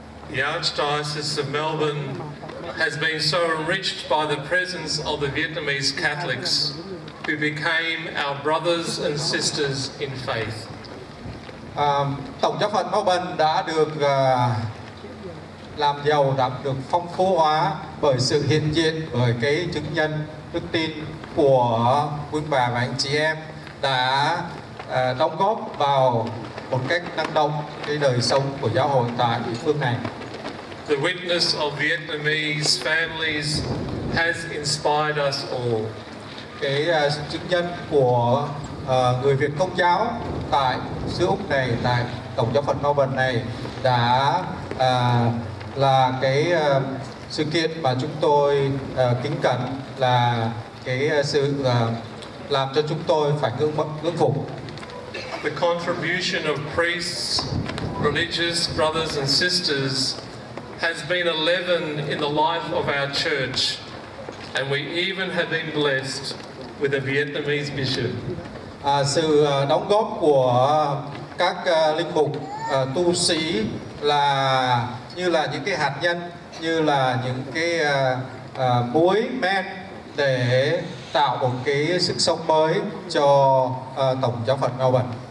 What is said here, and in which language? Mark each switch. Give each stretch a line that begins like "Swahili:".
English: The Archdiocese of Melbourne has been so enriched by the presence of the Vietnamese Catholics who became our brothers and sisters in faith.
Vietnamese: Tổng giáo phận Melbourne đã được làm giàu, đã được phong phú hóa bởi sự hiện diện, bởi cái chứng nhân đức tin của quý bà và anh chị em đã đóng góp vào một cách năng động cái đời sống của giáo hội tại địa phương này.
English: The witness of Vietnamese families has inspired us all.
Vietnamese: Cái chứng nhân của người Việt Công giáo tại xứ Úc này, tại Tổng giáo phận Melbourne này đã là cái sự kiện mà chúng tôi kính cẩn, là cái sự làm cho chúng tôi phải ngưỡng phục.
English: The contribution of priests, religious brothers and sisters has been a leaven in the life of our church, and we even have been blessed with a Vietnamese bishop.
Vietnamese: Sự đóng góp của các linh mục tu sĩ là như là những cái hạt nhân, như là những cái muối men để tạo một cái sức sống mới cho Tổng giáo phận Melbourne.